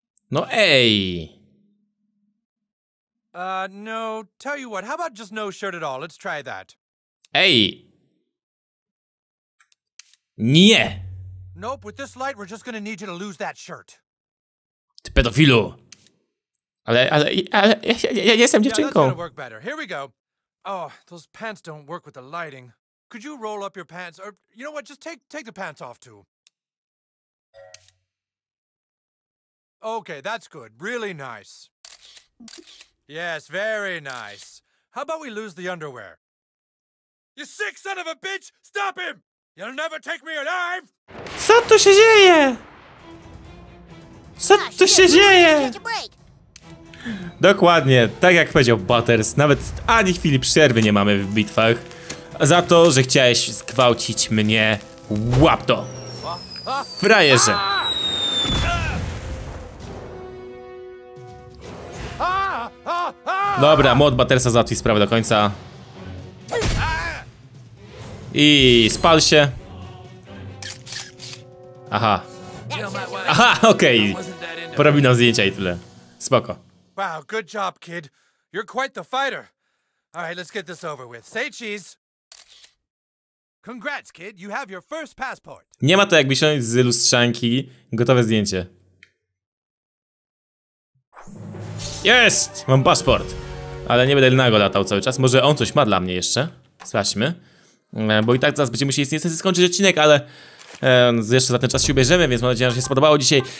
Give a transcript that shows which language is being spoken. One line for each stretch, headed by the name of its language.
Polish: No ej.
English: No, tell you what, how about just no shirt at all? Let's try that.
Polish: Ej. Nie.
English: Nope, with this light we're just gonna need you to lose that shirt.
Polish: Ty pedofilu. Ale ja jestem dziewczynką.
English: Yeah, that's gonna work better. Here we go. Oh, those pants don't work with the lighting. Could you roll up your pants? Or, you know what, just take the pants off too. Okay, that's good. Really nice. Yes, very nice. How about we lose the underwear? You sick son of a bitch! Stop him! You'll never take me alive!
Polish: Co tu się dzieje? Co tu się dzieje? Dokładnie, tak jak powiedział Butters, nawet ani chwili przerwy nie mamy w bitwach. Za to, że chciałeś zgwałcić mnie, łap to! Frajerze! Dobra, mod Buttersa załatwi sprawę do końca. I spal się. Aha. Aha, okej. Okay. Porobi nam zdjęcia i tyle. Spoko.
English: Wow, good job, kid. You're quite the fighter. All right, let's get this over with. Say cheese. Congrats, kid. You have your first passport.
Polish: Nie ma to jak wysiąść z lustrzanki. Gotowe zdjęcie. Jest! Mam paszport. Ale nie będę nago latał cały czas. Może on coś ma dla mnie jeszcze. Sprawdźmy. Bo i tak zaraz będziemy musieli niestety skończyć odcinek, ale jeszcze za ten czas się ubierzemy, więc mam nadzieję, że się spodobało dzisiaj.